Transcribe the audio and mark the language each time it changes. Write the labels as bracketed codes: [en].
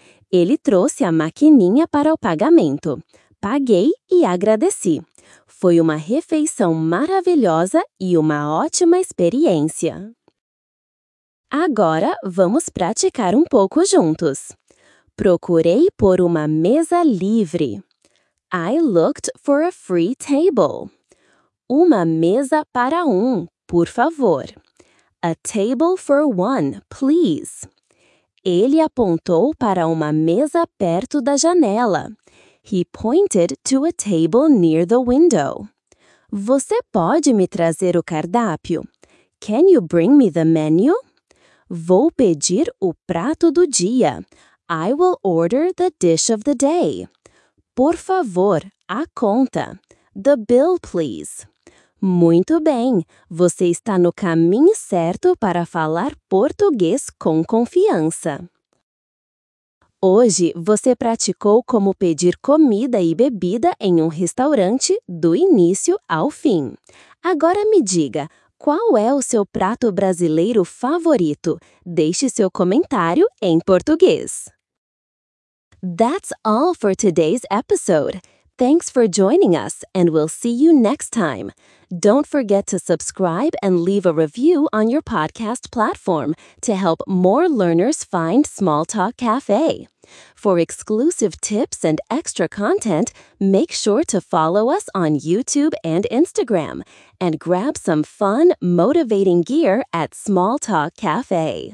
[pt] Ele trouxe a maquininha para o pagamento. Paguei e agradeci. Foi uma refeição maravilhosa e uma ótima experiência. Agora, vamos praticar um pouco juntos. Procurei por uma mesa livre. [en] I looked for a free table. [pt] Uma mesa para um, por favor. A table for one, please. Ele apontou para uma mesa perto da janela. [en] He pointed to a table near the window. [pt] Você pode me trazer o cardápio? [en] Can you bring me the menu? Vou pedir o prato do dia. I will order the dish of the day. [pt] Por favor, a conta. The bill, please. Muito bem, você está no caminho certo para falar português com confiança. Hoje, você praticou como pedir comida e bebida em um restaurante do início ao fim. Agora me diga, qual é o seu prato brasileiro favorito? Deixe seu comentário em português. That's all for today's episode. [en] Thanks for joining us, and we'll see you next time. Don't forget to subscribe and leave a review on your podcast platform to help more learners find Smalltalk Cafe. For exclusive tips and extra content, make sure to follow us on YouTube and Instagram, and grab some fun, motivating gear at Smalltalk Cafe.